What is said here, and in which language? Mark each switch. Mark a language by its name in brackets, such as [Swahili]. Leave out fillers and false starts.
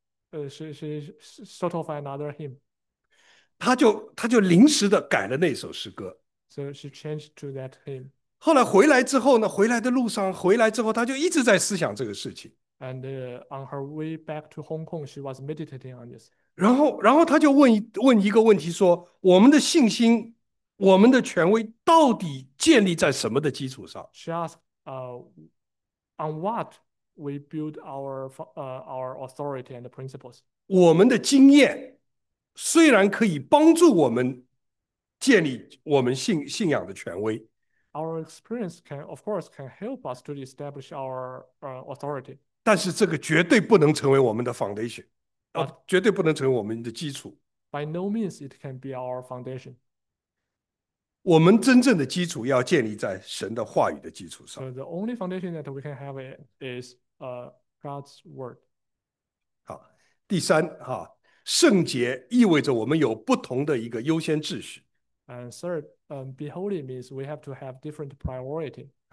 [English] So she she sort of another hymn. [Chinese] 他就临时的改了那首诗歌。 [English] So she changed to that hymn. [Chinese] 后来回来之后呢，回来的路上，回来之后他就一直在思想这个事情。 [English] And on her way back to Hong Kong, she was meditating on this. [Chinese] 然后他就问一个问题说，我们的信心。我们的权威到底建立在什么的基础上？ [English] She asked, on what we build our authority and the principles. [Chinese] 我们的经验虽然可以帮助我们建立我们信仰的权威， [English] Our experience can, of course, can help us to establish our authority. [Chinese] 但是这个绝对不能成为我们的 foundation， [English] But [Chinese] 绝对不能成为我们的基础。 [English] by no means it can be our foundation. [Chinese] 我们真正的基础要建立在神的话语的基础上。 [English] So the only foundation that we can have is God's word. [Chinese] 第三哈，圣洁意味着我们有不同的一个优先秩序。 [English] And third, be holy means we have to have different priority.